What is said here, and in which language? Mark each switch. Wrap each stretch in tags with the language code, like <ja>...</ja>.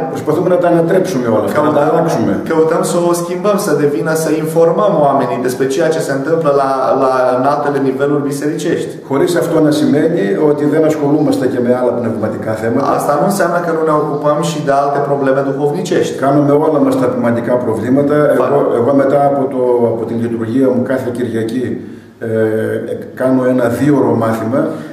<el>προσπαθούμε να τα ανατρέψουμε όλα αυτά, να τα αλλάξουμε.</el> <ro>Căutăm să o schimbăm, să devină, să informăm oamenii despre ceea ce se întâmplă la înaltele niveluri bisericești.</ro> <el>Χωρίς αυτό να σημαίνει ότι δεν ασχολούμαστε και με άλλα πνευματικά θέματα.</el> <ro>Asta nu înseamnă că nu ne ocupăm și de alte probleme duhovnicești.</ro> <el>Κάνουμε όλα μας τα πνευματικά προβλήματα. Εγώ μετά από την λειτουργία μου κάθε Κυριακή κάνω ένα δίωρο μάθημα.</el>